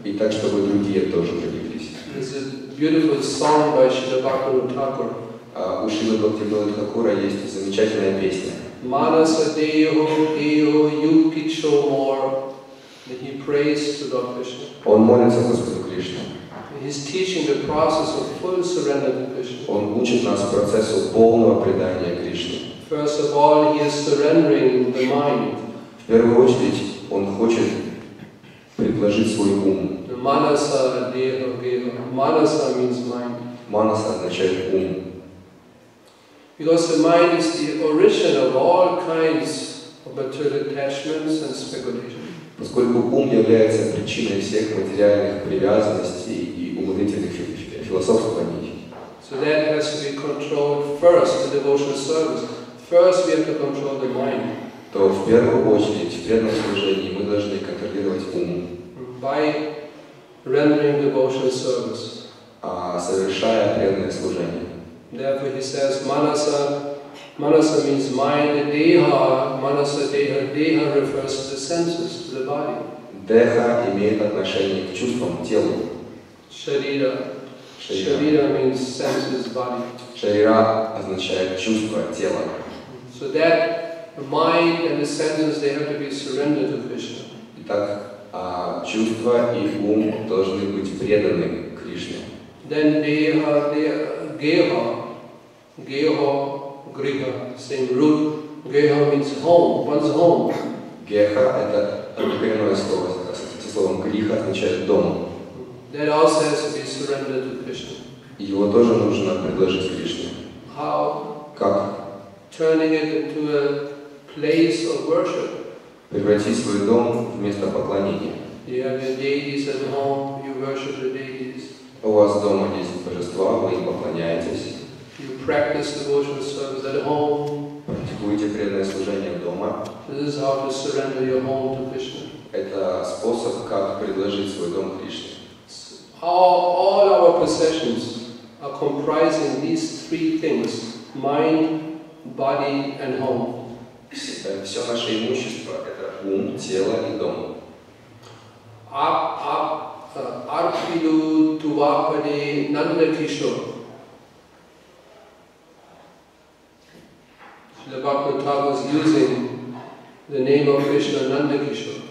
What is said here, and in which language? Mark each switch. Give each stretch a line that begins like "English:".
Russian: И так, чтобы другие тоже привлеклись.
English: There's a beautiful song by Śrīla Bhaktivinoda Thakura.
Russian: У Śrīla Bhaktivinoda Thakura есть замечательная песня.
Bangla: Manasa deho deho yukicho more.
English: And he prays to Lord Krishna.
Russian: Он молится Господу Кришне.
English: He's teaching the process of full surrender to Krishna.
Russian: Он учит нас процессу полного предания Кришне.
English: First of all, he is surrendering the mind.
Russian: В первую очередь, он хочет предложить свой ум.
English: Manasa deho deho. Manasa means mind.
Russian: Manasa означает ум.
English: Because the mind is the origin of all kinds of material attachments and speculation.
Russian: Поскольку ум является причиной всех материальных привязанностей и умозрительных философствований.
English: So that has to be controlled first, the devotional service. First we have to control the mind.
Russian: То в первую очередь, в преданном служении, мы должны контролировать ум.
English: By rendering devotional service.
Russian: А совершая преданное служение.
English: Therefore he says, manasa. Manasa means mind, deha, manasa, deha, deha refers to the senses, to the body.
Russian: Deha имеет отношение к чувствам, телу.
English: Sharira. Sharira means senses, body.
Russian: Sharira означает чувство, тело.
English: So that mind and the senses, they have to be surrendered to Krishna.
Russian: Итак, чувства и ум должны быть преданы Кришне.
English: Then deha, deha, geha, geha. Griha, same root. Geha means home, one's home.
Russian: Geha – это первое слово. Со словом «гриха» означает «дом».
English: That also has to be surrendered to Krishna.
Russian: Его тоже нужно предложить Кришне.
English: How?
Russian: Как?
English: Turning it into a place of worship.
Russian: Превратить свой дом в место поклонения.
English: You have your deities at home, you worship the deities.
Russian: У вас дома есть божества, вы им поклоняетесь.
English: You practice devotional service at home.
Russian: Практикуете преданное служение дома.
English: This is how to surrender your home to Krishna.
Russian: Это способ, как предложить свой дом Кришне.
English: All our possessions. are comprised in these three things: mind, body, and home.
Russian: Все наше имущество – это ум, тело и дом.
Bangla: Арпиду Тувапади Нандакишо.
English: Шрила Бхактивинода using the name of Krishna Нандакишо.